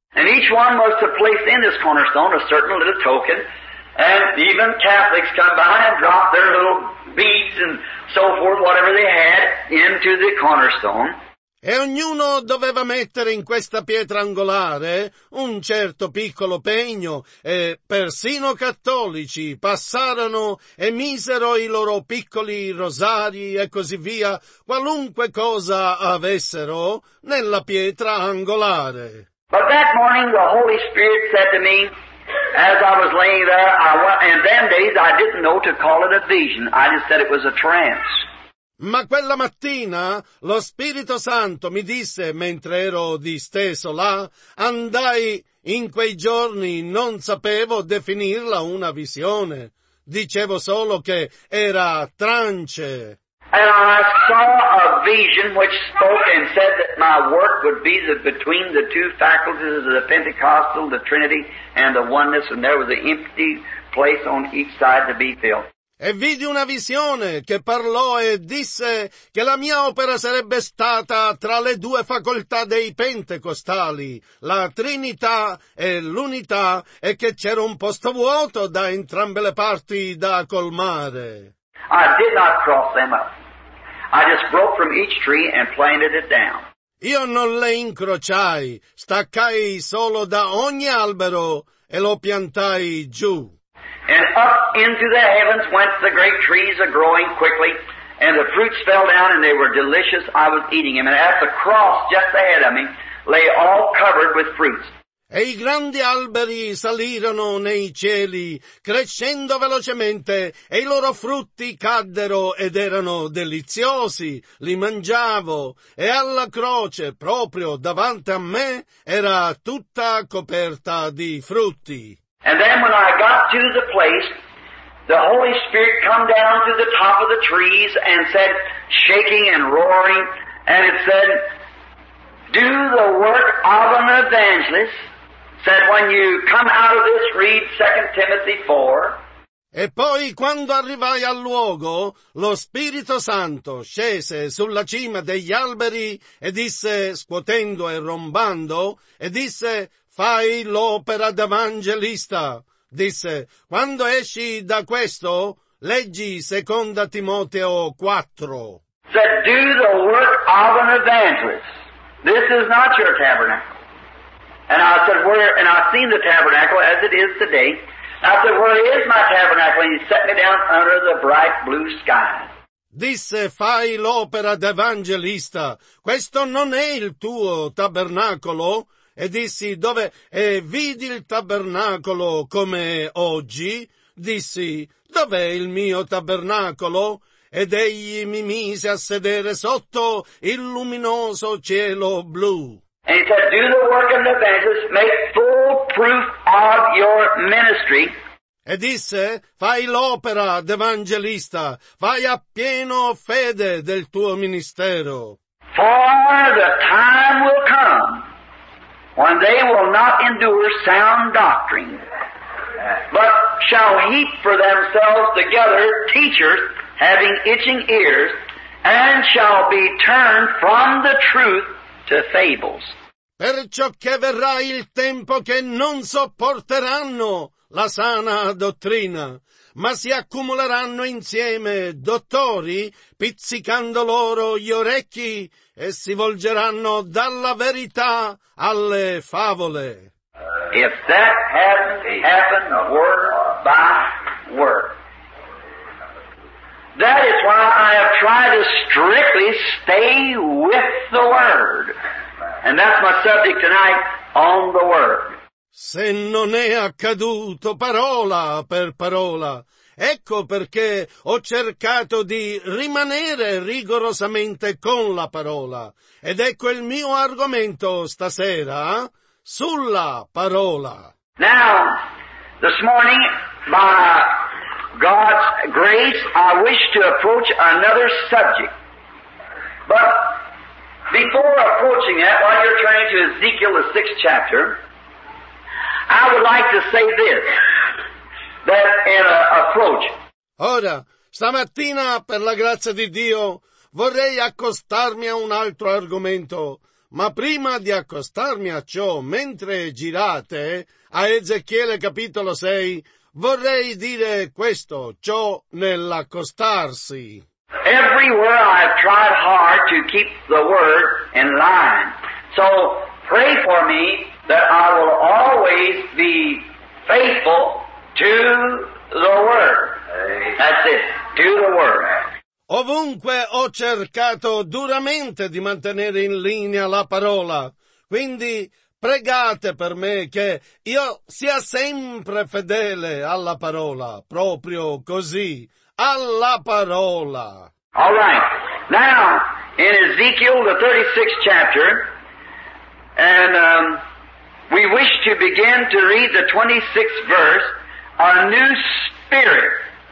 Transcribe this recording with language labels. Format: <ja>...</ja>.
<en>And each one was to place in this cornerstone a certain little token, and even Catholics come by and drop their little beads and so forth, whatever they had, into the cornerstone.</en> <it>E ognuno doveva mettere in questa pietra angolare un certo piccolo pegno, e persino cattolici passarono e misero i loro piccoli rosari e così via, qualunque cosa avessero nella pietra angolare.</it> <en>But that morning the Holy Spirit said to me, as I was laying there, in them days I didn't know to call it a vision, I just said it was a trance.</en> <it>Ma quella mattina lo Spirito Santo mi disse, mentre ero disteso là, andai in quei giorni, non sapevo definirla una visione. Dicevo solo che era trance.</it> <en>And I saw a vision which spoke and said that my work would be the between the two faculties of the Pentecostal, the Trinity, and the oneness, and there was an empty place on each side to be filled.</en> <it>E vidi una visione che parlò e disse che la mia opera sarebbe stata tra le due facoltà dei pentecostali, la Trinità e l'Unità, e che c'era un posto vuoto da entrambe le parti da colmare.</it> <en>I did not cross them up. I just broke from each tree and planted it down.</en> <it>Io non le incrociai, staccai solo da ogni albero e lo piantai giù.</it> <en>And up into the heavens went the great trees are growing quickly, and the fruits fell down and they were delicious, I was eating them. And at the cross just ahead of me lay all covered with fruits.</en> <it>E i grandi alberi salirono nei cieli, crescendo velocemente, e i loro frutti caddero ed erano deliziosi, li mangiavo, e alla croce, proprio davanti a me, era tutta coperta di frutti.</it> <en>And then when I got to the place, the Holy Spirit come down to the top of the trees and said, shaking and roaring, and it said, do the work of an evangelist, said when you come out of this, read 2 Timothy 4.</en> <it>E poi quando arrivai al luogo, lo Spirito Santo scese sulla cima degli alberi e disse, scuotendo e rombando, e disse, fai l'opera d'evangelista. Disse, quando esci da questo, leggi 2 Timoteo 4.</it> <en>Said, do the work of an evangelist. This is not your tabernacle. And I said, where, and I've seen the tabernacle as it is today. I said, where is my tabernacle? And he set me down under the bright blue sky.</en> <it>Disse, fai l'opera d'evangelista. Questo non è il tuo tabernacolo. E dissi, dove, e vidi il tabernacolo come oggi? Dissi, dov'è il mio tabernacolo? Ed egli mi mise a sedere sotto il luminoso cielo blu.</it> <en>And he said, do the work of the evangelist, make full proof of your ministry.</en> <it>E disse, fai l'opera d'evangelista, fai a pieno fede del tuo ministero.</it> <en>For the time will come when they will not endure sound doctrine, but shall heap for themselves together teachers having itching ears, and shall be turned from the truth to fables.</en> <it>Perciò che verrà il tempo che non sopporteranno la sana dottrina, ma si accumuleranno insieme dottori, pizzicando loro gli orecchi, e si volgeranno dalla verità alle favole.</it> <en>If that hadn't happened word by word, that is why I have tried to strictly stay with the word. And that's my subject tonight, on the word.</en> <it>Se non è accaduto parola per parola, ecco perché ho cercato di rimanere rigorosamente con la parola. Ed ecco il mio argomento stasera, sulla parola.</it> <en>Now, this morning, by God's grace, I wish to approach another subject. But before approaching that, while you're turning to Ezekiel, the sixth chapter, I would like to say this, that in an approach.</en> <it>Ora, stamattina, per la grazia di Dio, vorrei accostarmi a un altro argomento. Ma prima di accostarmi a ciò, mentre girate a Ezechiele capitolo 6, vorrei dire questo, ciò nell'accostarsi.</it> <en>Everywhere I've tried hard to keep the word in line. So pray for me that I will always be faithful to the word. That's it, to the word.</en> <it>Ovunque ho cercato duramente di mantenere in linea la parola, quindi pregate per me che io sia sempre fedele alla parola, proprio così, alla parola.</it> <en>All right. Now, in Ezekiel, the 36th chapter, and we wish to begin to read the 26th verse, a new spirit.</en>